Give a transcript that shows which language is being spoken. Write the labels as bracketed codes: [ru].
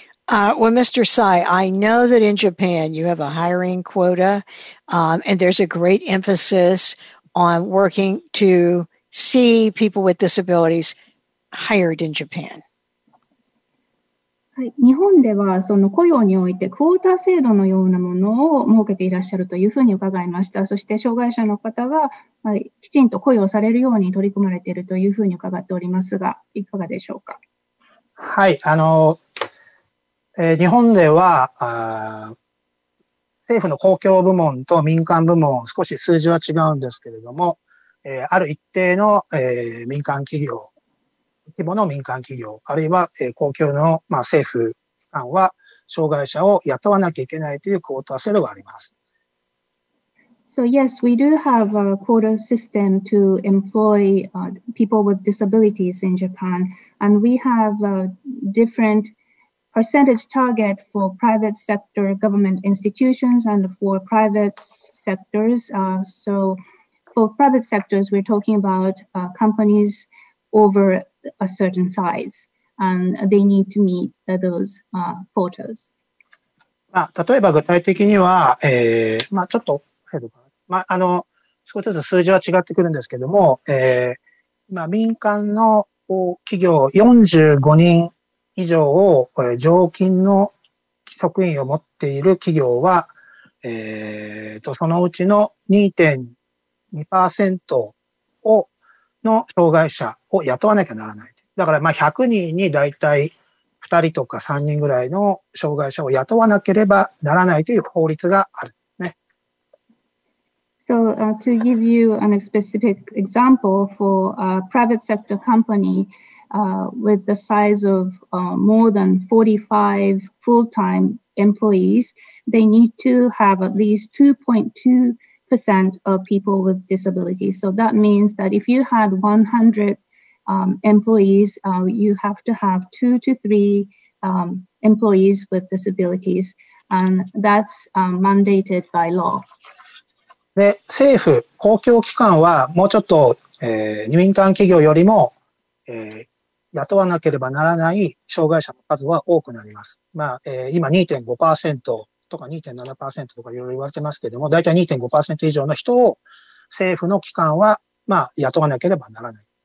[en] Well, Mr. Sai, I know that in Japan you have a hiring quota and there's a great emphasis on working to see people with disabilities hired in Japan. [ja] はい、日本ではその雇用においてクォーター制度のようなものを設けていらっしゃるというふうに伺いました。そして障害者の方が、はい、きちんと雇用されるように取り組まれているというふうに伺っておりますが、いかがでしょうか。はい、日本では政府の公共部門と民間部門、少し数字は違うんですけれども、ある一定の、民間企業規模の民間企業あるいは、公共の、まあ、政府機関は障害者を雇わなきゃいけないというクォーター制度があります。 [en] So yes, we do have a quota system to employ people with disabilities in Japan, and we have a different percentage target for private sector government institutions and for private sectors. So for private sectors, we're talking about companies over a certain size, and they need to meet those quotas. [ja] まあ、例えば具体的には、まあ、ちょっと、まあ、少しずつ数字は違ってくるんですけども、まあ、民間の企業45人以上を、常勤の職員を持っている企業は、そのうちの 2.2% をの障害者を雇わなきゃならない。だからまあ100人にだいたい2人とか3人ぐらいの障害者を雇わなければならないという法律があるね。 [en] So, to give you a specific example for a private sector company, with the size of, more than 45 full-time employees, they need to have at least 2.2% of people with disabilities. So that means that if you had 100 employees, you have to have 2 to 3 employees with disabilities. And that's mandated by law. [ja] で、政府、公共機関はもうちょっと、民間企業よりも、雇わなければならない障害者の数は多くなります。まあ、今 2.5%とか 2.7% とかいろいろ言われてますけども、だいたい 2.5% 以上の人を政府の機関は、まあ、雇わなければならない。